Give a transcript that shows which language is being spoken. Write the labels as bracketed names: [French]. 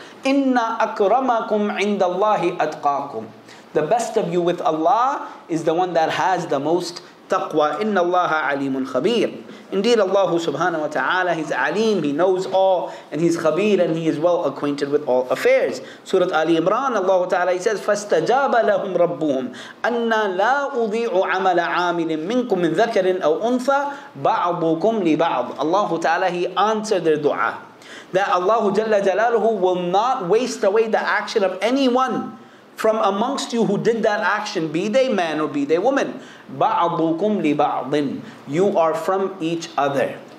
[Arabic] Inna akramakum indallahi atqakum. [English] The best of you with Allah is the one that has the most taqwa. [Arabic] Inna allaha alimun khabir. [English] Indeed, Allah subhanahu wa ta'ala, He's alim, He knows all, and He's khabir, and He is well acquainted with all affairs. Surah Ali Imran, Allah ta'ala, He says, [Arabic] فَاسْتَجَابَ لَهُمْ رَبُّهُمْ أَنَّا لَا أُضِيعُ عَمَلَ عَامِلٍ مِّنْكُمْ مِّنْ ذَكَرٍ أَوْ أُنْثَى بَعْضُكُمْ لِبَعْضٍ. [English] Allah ta'ala, He answered their dua. That Allah Jalla Jalaluhu will not waste away the action of anyone from amongst you who did that action, be they man or be they woman. [Arabic] بَعْضُكُمْ لِبَعْضٍ. [English] You are from each other.